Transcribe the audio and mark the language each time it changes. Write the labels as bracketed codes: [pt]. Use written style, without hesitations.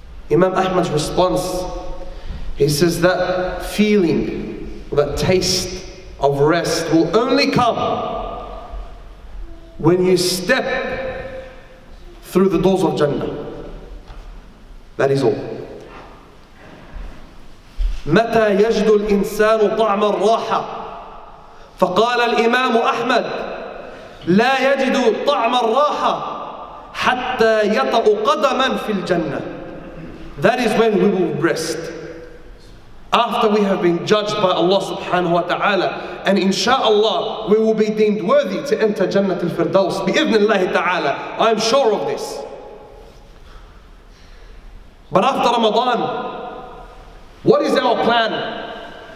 [en] Imam Ahmad's response, he says, that feeling, that taste of rest will only come when you step through the doors of Jannah. That is all. [ar] متى يجد الإنسان طعم الراحة؟ فقال الإمام أحمد لا يجد طعم الراحة حتى يطأ قدما في الجنة. [en] That is when we will rest. After we have been judged by Allah subhanahu wa ta'ala, and inshallah we will be deemed worthy to enter Jannat al-Firdaus [ar] بإذن الله تعالى. [en] I am sure of this. But after Ramadan, what is our plan?